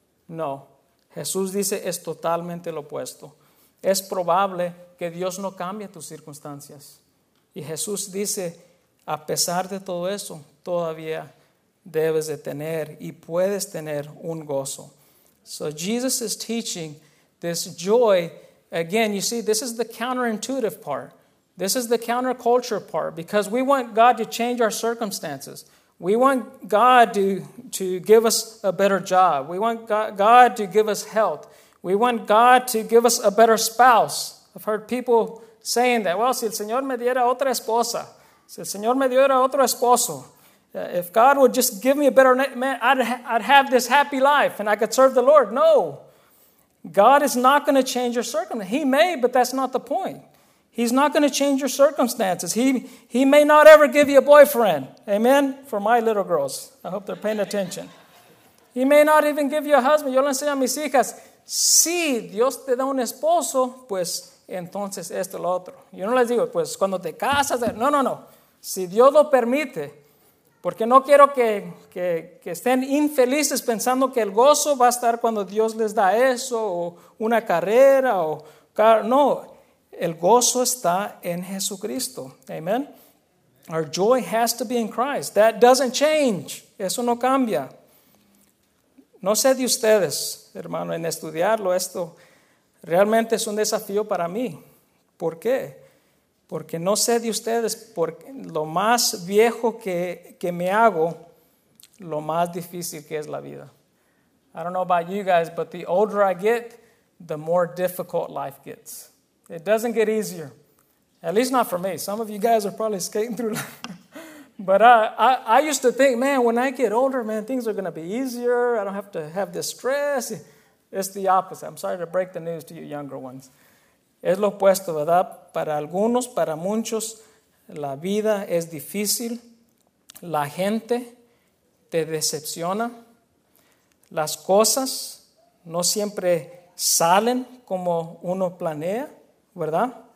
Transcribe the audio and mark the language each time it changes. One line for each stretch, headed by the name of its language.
Spanish: No, Jesús dice es totalmente lo opuesto. Es probable que Dios no cambie tus circunstancias. Y Jesús dice, a pesar de todo eso, todavía debes de tener y puedes tener un gozo.
English: So Jesus is teaching this joy. Again, you see, this is the counterintuitive part. This is the counterculture part, because we want God to change our circumstances. We want God to give us a better job. We want God to give us health. We want God to give us a better spouse. I've heard people saying that, well,
Spanish: si el Señor me diera otra esposa, si el Señor me diera otro esposo,
English: if God would just give me a better man, I'd have this happy life and I could serve the Lord. No, God is not going to change your circumstances. He may, but that's not the point. He's not going to change your circumstances. He may not ever give you a boyfriend. Amen? For my little girls. I hope they're paying attention. He may not even give you a husband.
Spanish: Yo le enseño a mis hijas, si Dios te da un esposo, pues entonces esto lo otro. Yo no les digo, pues cuando te casas. No, no, no. Si Dios lo permite. Porque no quiero que estén infelices pensando que el gozo va a estar cuando Dios les da eso, o una carrera, o no. El gozo está en Jesucristo. Amen.
English: Our joy has to be in Christ. That doesn't change.
Spanish: Eso no cambia. No sé de ustedes, hermano, en estudiarlo esto. Realmente es un desafío para mí. ¿Por qué? Porque no sé de ustedes, porque lo más viejo que me hago, lo más difícil que es la vida.
English: I don't know about you guys, but the older I get, the more difficult life gets. It doesn't get easier, at least not for me. Some of you guys are probably skating through life. But I used to think, man, when I get older, man, things are going to be easier. I don't have to have this stress. It's the opposite. I'm sorry to break the news to you younger ones.
Spanish: Es lo opuesto, ¿verdad? Para algunos, para muchos, la vida es difícil. La gente te decepciona. Las cosas no siempre salen como uno planea, ¿verdad?